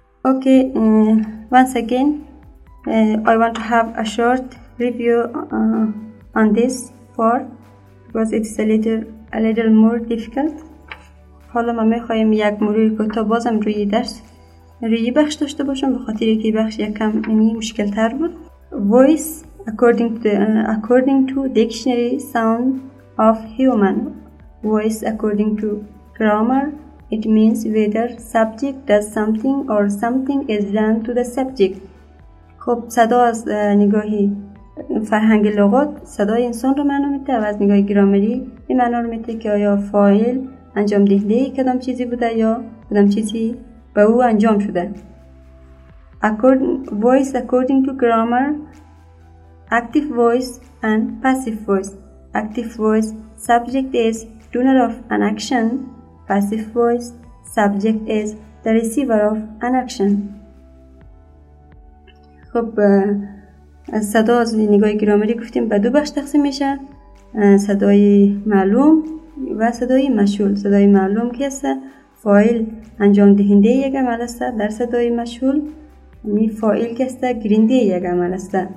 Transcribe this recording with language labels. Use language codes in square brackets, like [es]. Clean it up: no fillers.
[en] Okay, once again, I want to have a short review on this part because it's a little a little more difficult. [fa] حالا ما میخواییم یک مرور کوتاه بازم روی درس روی بخش داشته باشم به خاطر که بخش یکم یعنی مشکل تر بود. [en] Voice according to dictionary sound of human. Voice according to grammar. It means whether subject does something or something is done to the subject. [fa] خب صدا از نگاهی فرهنگ لغات صدای انسان رو معنا میده و از نگاه گرامری این معنا رو میده که آیا فاعل انجام دهنده کدام چیزی بوده یا کدام چیزی به او انجام شده. [en] Voice according to grammar, active voice and passive voice. Active voice, subject is doer of an action. Passive voice, subject is the receiver of an action. [fa] خب از صدا از نگاه گرامری گفتیم به دو بخش تقسیم میشه، صدای معلوم و صدای مشهول. صدای معلوم که است فاعل انجام دهنده یک عمل است، در صدای مشهول می فاعل که است گیرنده یک عمل است.